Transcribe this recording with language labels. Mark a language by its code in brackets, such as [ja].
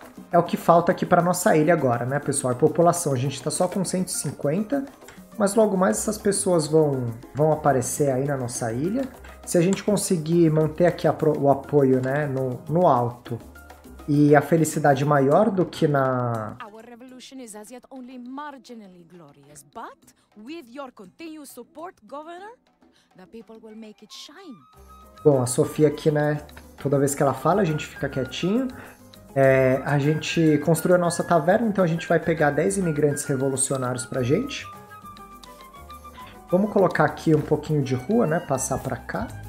[pt] É o que falta aqui para nossa ilha agora, né, pessoal? A população, a gente está só com 150, mas logo mais essas pessoas vão aparecer aí na nossa ilha. Se a gente conseguir manter aqui o apoio, né, no alto e a felicidade maior do que na... [en] Our revolution is as yet only marginally glorious, but with your continued support, governor, the people will make it shine. [pt] Bom, a Sofia aqui, né, toda vez que ela fala, a gente fica quietinho. É, a gente construiu a nossa taverna, então a gente vai pegar 10 imigrantes revolucionários pra gente. Vamos colocar aqui um pouquinho de rua, né? Passar pra cá.